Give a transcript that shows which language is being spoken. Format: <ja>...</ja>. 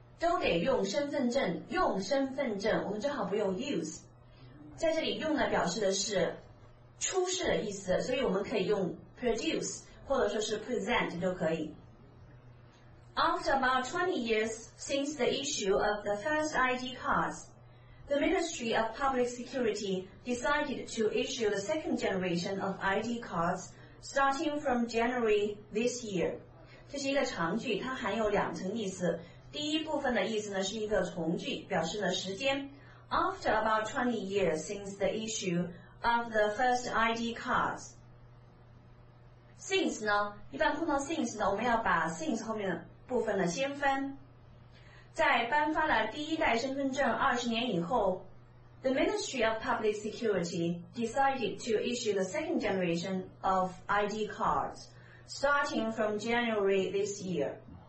<zh>都得用身份证，用身份证，我们正好不用 use， 在这里用呢表示的是出示的意思，所以我们可以用 produce 或者说是 present 就可以。</zh> <en>After about 20 years since the issue of the first ID cards, the Ministry of Public Security decided to issue the second generation of ID cards starting from January this year.</en> <zh>这是一个长句，它含有两层意思，第一部分的意思呢是一个从句，表示了时间。</zh> <en>After about 20 years since the issue of the first ID cards.</en> <zh>Since 呢，一般碰到 since 呢，我们要把 since 后面的部分呢先翻。在颁发了第一代身份证20年以后，</zh> <en>The Ministry of Public Security decided to issue the second generation of ID cards starting from January this year.</en>